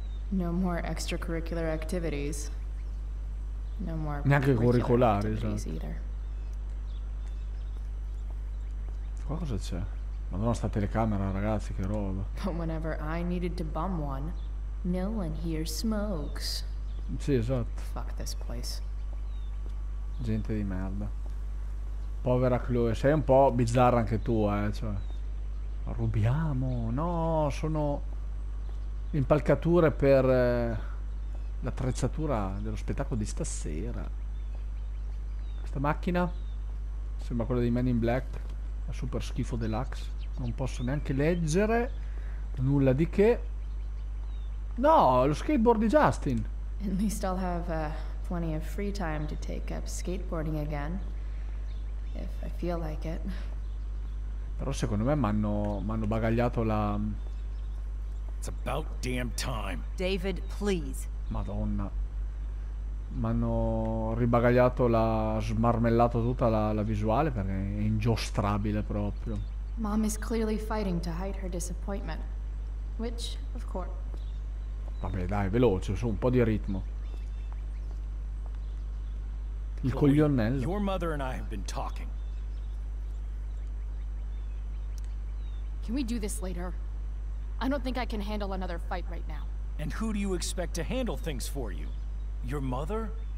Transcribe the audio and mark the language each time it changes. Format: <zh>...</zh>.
<en>No more extracurricular activities. No more.</en> <it>Neanche curricolari, esatto. Qua cosa c'è? Madonna, sta telecamera, ragazzi, che roba.</it> <en>But whenever I needed to bum one, no one here smokes.</en> <it>Sì, esatto.</it> <en>Fuck this place.</en> <it>Gente di merda. Povera Chloe, sei un po' bizzarra anche tu, cioè. Rubiamo. No, sono impalcature per l'attrezzatura dello spettacolo di stasera. Questa macchina sembra quella di Man in Black, la super schifo deluxe. Non posso neanche leggere nulla di che. No, lo skateboard di Justin.</it> <en>At least I'll have plenty of free time to take up skateboarding again if I feel like it.</en> <it>Però secondo me m'hanno bagagliato</it> <en>It's about damn time. David, please.</en> <it>Madonna. M'hanno ribagagliato la... smarmellato tutta la visuale perché è ingiostrabile proprio.</it> <en>Mom is clearly fighting to hide her disappointment. Which, of course.</en> <it>Vabbè, dai, veloce, su, un po' di ritmo. Il coglionello.</it> <en>Your mother and I have been talking. Can we do this later? I don't think I can handle another fight right now. And who do you expect to handle things for you? Your mother?</en>